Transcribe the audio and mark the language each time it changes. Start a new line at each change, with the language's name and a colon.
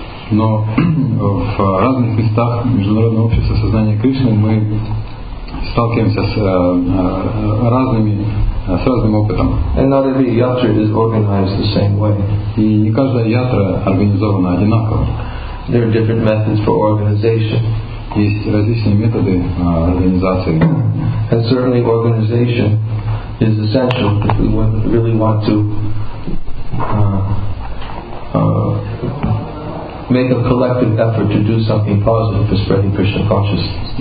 Russian: Но в разных местах международного общества сознания Кришны мы сталкиваемся с разными, с разным опытом.
English: And not every yatra is organized the same way.
Russian: И не каждая ятра организована одинаково.
English: There are different methods for organization.
Russian: Есть различные методы организации.
English: And certainly organization is essential if we really want to make a collective effort to do something positive for spreading Krishna consciousness.